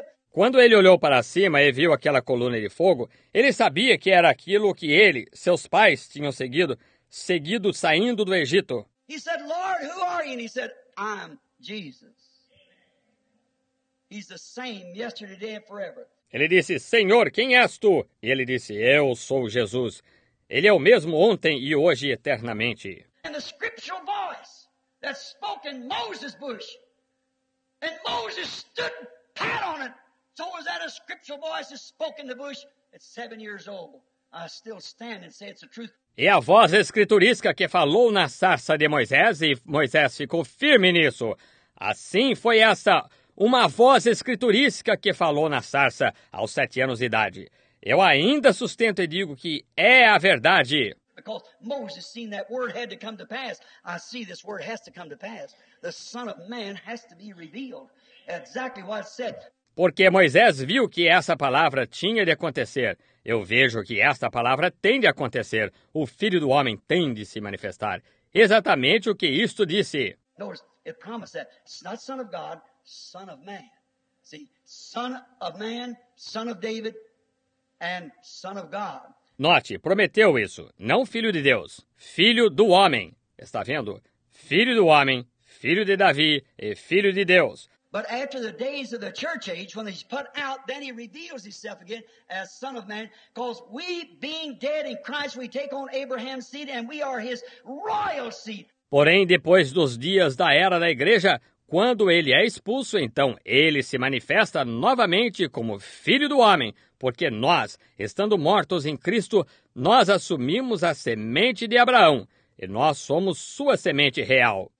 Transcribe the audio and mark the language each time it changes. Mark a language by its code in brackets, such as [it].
[pt] Quando ele olhou para cima e viu aquela coluna de fogo, ele sabia que era aquilo que ele, seus pais, tinham seguido. Seguido saindo do Egito. [en] He said, Lord, who are you? And he said, I'm Jesus. He's the same yesterday, today, and forever. [pt] Ele disse, Senhor, quem és tu? E ele disse, eu sou Jesus. Ele é o mesmo ontem e hoje e eternamente. [en] And the scriptural voice that spoke in Moses' bush. And Moses stood pat on it. So was that a scriptural voice that spoke in the bush at 7 years old. I still stand and say it's the truth. [pt] E a voz escriturística que falou na sarça de Moisés, e Moisés ficou firme nisso. Assim foi essa, uma voz escriturística que falou na sarça aos 7 anos de idade. Eu ainda sustento e digo que é a verdade. [en] Because Moses seen that word had to come to pass. I see this word has to come to pass. The Son of Man has to be revealed. Exactly what it said. [pt] Porque Moisés viu que essa palavra tinha de acontecer. Eu vejo que esta palavra tem de acontecer. O Filho do Homem tem de se manifestar. Exatamente o que isto disse. [en] Notice, it promised that. It's not Son of God, Son of Man. See, Son of Man, Son of David, and Son of God. [pt] Note, prometeu isso. Não Filho de Deus, Filho do Homem. Está vendo? Filho do Homem, Filho de Davi e Filho de Deus. [en] But after the days of the church age, when he's put out, then he reveals himself again as Son of Man. Because we, being dead in Christ, we take on Abraham's seed, and we are his royal seed. [pt] Porém, depois dos dias da era da igreja, quando ele é expulso, então ele se manifesta novamente como Filho do Homem. Porque nós, estando mortos em Cristo, nós assumimos a semente de Abraão. E nós somos sua semente real.